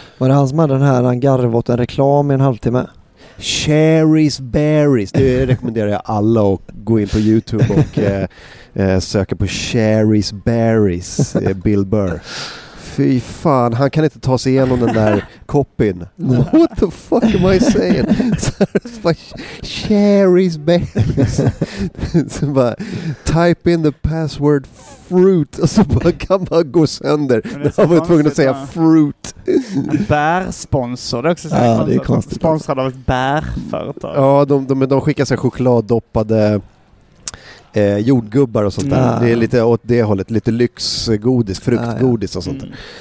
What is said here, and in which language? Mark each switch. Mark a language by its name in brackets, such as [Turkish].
[Swedish] Var det han som hade den här, han garv åt en reklam i en halvtimme? Cherries Berries. Det rekommenderar jag alla att gå in på YouTube och söka på Cherries Berries. Bill Burr. Fy fan, han kan inte ta sig igenom den där koppen. [English] What the fuck am I saying? Cherries berries. Type in the password fruit. [Swedish] Och så bara, kan man gå sönder. Då var jag tvungen att säga fruit. Bärsponsor. Det är också så konstigt. Sponsrad av ett bärföretag. Ja, de skickar sig chokladdoppade... jordgubbar och sånt där. Det är lite åt det hållet, lite lyxgodis, fruktgodis och sånt där.